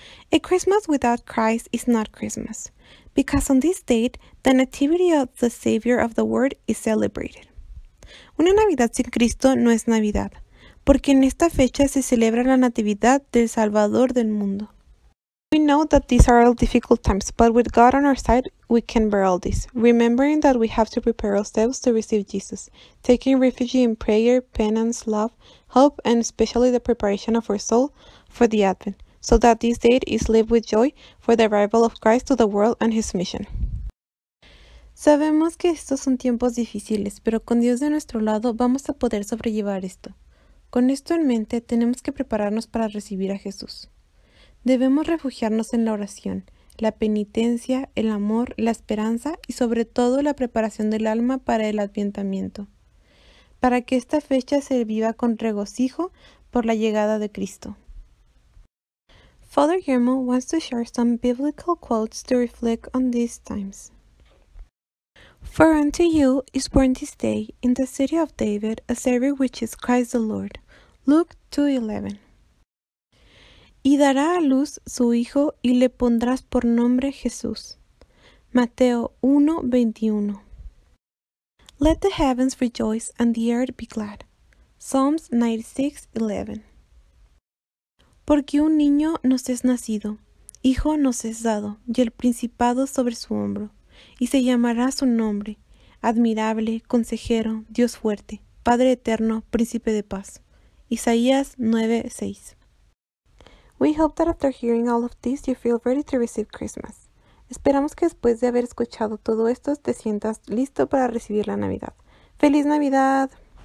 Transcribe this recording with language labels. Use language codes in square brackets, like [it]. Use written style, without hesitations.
[en] A Christmas without Christ is not Christmas, because on this date, the Nativity of the Savior of the World is celebrated. [es] Una Navidad sin Cristo no es Navidad, porque en esta fecha se celebra la Natividad del Salvador del Mundo. [en] We know that these are all difficult times, but with God on our side, we can bear all this, remembering that we have to prepare ourselves to receive Jesus, taking refuge in prayer, penance, love, hope, and especially the preparation of our soul for the Advent, so that this date is lived with joy for the arrival of Christ to the world and His mission. [es] Sabemos que estos son tiempos difíciles, pero con Dios de nuestro lado vamos a poder sobrellevar esto. Con esto en mente, tenemos que prepararnos para recibir a Jesús. Debemos refugiarnos en la oración, la penitencia, el amor, la esperanza y sobre todo la preparación del alma para el adviento, para que esta fecha se viva con regocijo por la llegada de Cristo. [en] Father Guillermo wants to share some biblical quotes to reflect on these times. For unto you is born this day in the city of David a Savior which is Christ the Lord. Luke 2:11. [es] Y dará a luz su hijo y le pondrás por nombre Jesús. Mateo 1:21. [en] Let the heavens rejoice and the earth be glad. Psalms 96:11. [es] Porque un niño nos es nacido, hijo nos es dado, y el principado sobre su hombro, y se llamará su nombre, admirable, consejero, Dios fuerte, Padre eterno, príncipe de paz. Isaías 9:6. [en] We hope that after hearing all of this, you feel ready to receive Christmas. [es] Esperamos que después de haber escuchado todo esto, te sientas listo para recibir la Navidad. ¡Feliz Navidad!